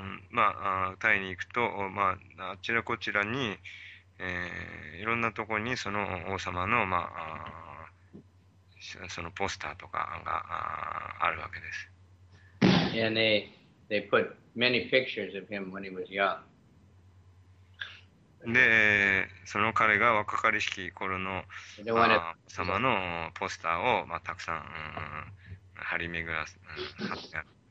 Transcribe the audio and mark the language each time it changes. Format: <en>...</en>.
<ja>まあ、タイに行くと、まあ、あちらこちらに、いろんなところにその王様の、まあ、そのポスターとかがあるわけです。</ja> <en>And they put many pictures of him when he was young.</en> <ja>で、その彼が若かりしき頃の、</ja> <en>They don't want to...</en> <ja>まあ、王様のポスターを、まあ、たくさん、張り巡らす、貼ってある。</ja>